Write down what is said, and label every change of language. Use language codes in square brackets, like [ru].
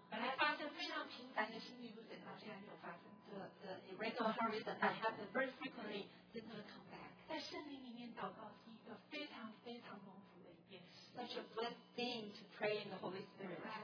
[zh] 本来发生非常频繁的心率不整，到现在没有发生。The [en] irregular heart rhythm that happened very frequently did not come back. [zh] 在圣灵里面祷告是一个非常非常丰富的一件事。Such [en] a blessed thing to pray in the Holy Spirit.